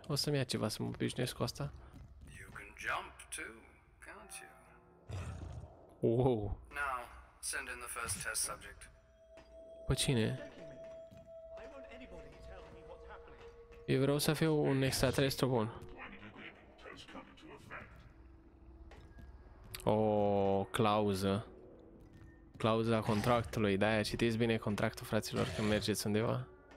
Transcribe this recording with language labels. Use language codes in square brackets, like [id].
[ro] O să-mi ia ceva să mă obișnuiesc cu asta. [en] You can jump too, can't you? Wow. Now, send in the first test subject. [ro] Pe cine? Eu vreau să fiu un extraterestru bun. O clauză. Clauza contractului, de-aia citiți bine contractul, fraților, când mergeți undeva.